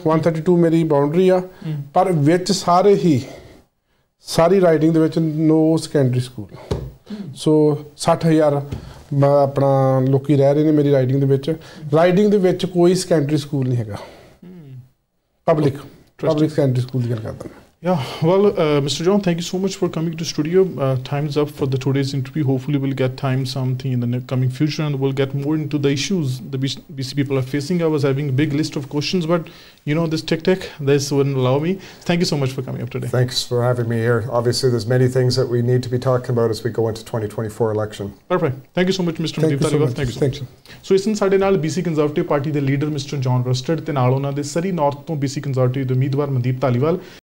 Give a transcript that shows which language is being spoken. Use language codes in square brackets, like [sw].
[pa] 132 ਮੇਰੀ ਬਾਉਂਡਰੀ ਆ, ਪਰ ਵਿੱਚ ਸਾਰੇ ਹੀ, ਸਾਰੀ ਰਾਈਡਿੰਗ ਦੇ ਵਿੱਚ ਨੋ ਸੈਕੰਡਰੀ ਸਕੂਲ। ਸੋ 60,000 ਮੈਂ ਆਪਣਾ ਲੋਕ ਰਹਿ ਰਹੇ ਨੇ ਮੇਰੀ ਰਾਈਡਿੰਗ ਦੇ ਵਿੱਚ. ਰਾਈਡਿੰਗ ਦੇ ਵਿੱਚ ਕੋਈ ਸੈਕੰਡਰੀ ਸਕੂਲ ਨਹੀਂ ਹੈਗਾ, ਪਬਲਿਕ ਪਬਲਿਕ ਸੈਕੰਡਰੀ ਸਕੂਲ ਦੀ ਗੱਲ ਕਰਦਾ ਮੈਂ. [en] Yeah, well, Mr. John, thank you so much for coming to the studio. Time's up for the today's interview. Hopefully, we'll get time something in the coming future and we'll get more into the issues the BC people are facing. I was having a big list of questions, but you know, this tech, this wouldn't allow me. Thank you so much for coming up today. Thanks for having me here. Obviously, there's many things that we need to be talking about as we go into 2024 election. Perfect. Thank you so much, Mr. Mandeep Dhaliwal. Thank you so much. [pa] So, ਸਾਡੇ ਨਾਲ BC Conservative Party ਦੇ leader Mr. John Rusted ਤੇ ਨਾਲ ਉਹਨਾਂ ਦੇ ਸਰੀ north ਤੋਂ BC Conservative ਦੇ ਉਮੀਦਵਾਰ ਮਨਦੀਪ ਧਾਲੀਵਾਲ.